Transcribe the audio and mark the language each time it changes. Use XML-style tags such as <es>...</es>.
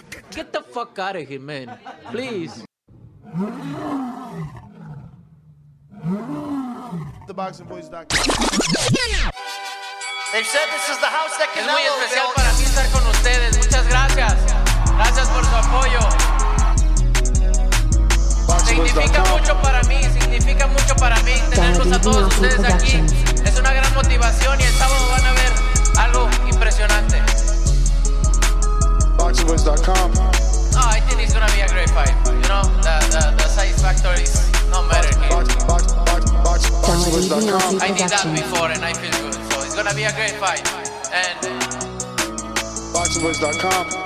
<en>Get the fuck out of here, man. Please. TheBoxingBoys.com. They said this is the house that Canelo built.</en> <es>Es muy especial para mí estar con ustedes. Muchas gracias. Gracias por su apoyo. Significa mucho para mí. Significa mucho para mí. Tenerlos a todos ustedes aquí es una gran motivación y el sábado van a ver algo impresionante.</es> <en>TheBoxingBoys.com. Oh, I think it's gonna be a great fight. You know, the satisfactory is no matter here. Box, I did that before and I feel good. So it's gonna be a great fight. And BoxingBoys.com.</en>